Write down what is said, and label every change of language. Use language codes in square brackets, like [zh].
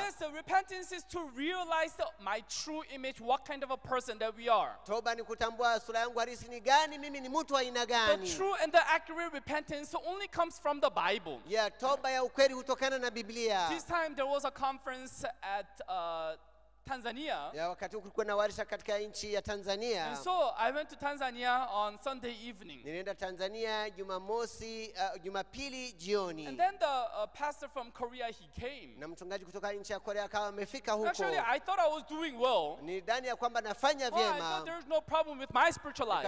[en] Yes, so repentance is to realize my true image, what kind of a person that we are. [sw] Toba ni kutambua sura yangu halisi ni gani, mimi ni mtu wa aina gani. [en] The true and the accurate repentance only comes from the Bible. [sw] Yeah, toba ya ukweli hutokana na Biblia. [en] This time there was a conference at Tanzania. [sw] Yeah, wakati kulikuwa na warsha katika nchi ya Tanzania. [en] And so I went to Tanzania on Sunday evening. [sw] Nilienda Tanzania Jumamosi, Jumapili jioni. [en] And then the pastor from Korea, he came. [sw] Na mchungaji kutoka nchi ya Korea akawa amefika huko. [en] Actually, I thought I was doing well. [sw] Nidhani ya kwamba nafanya vyema. [en] But there's no problem with my spiritual life.